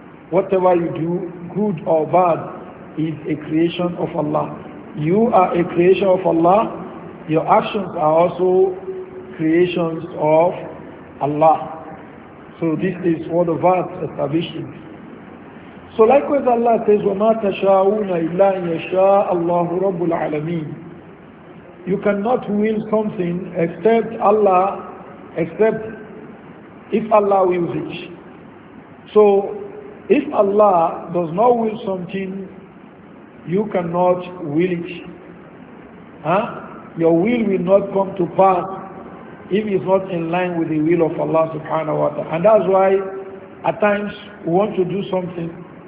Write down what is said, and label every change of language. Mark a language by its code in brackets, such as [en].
[en] Whatever you do, good or bad, is a creation of Allah. You are a creation of Allah. Your actions are also creations of Allah. So this is what the verse establishes. So likewise Allah says, [ar] وَمَا تَشَاءُونَ إِلَّا أَن يَشَاءَ اللَّهُ رَبُّ الْعَالَمِينَ. [en] You cannot will something except Allah, except if Allah wills it. So if Allah does not will something, you cannot will it. Your will not come to pass if it's not in line with the will of Allah subhanahu wa ta'ala. And that's why at times we want to do something.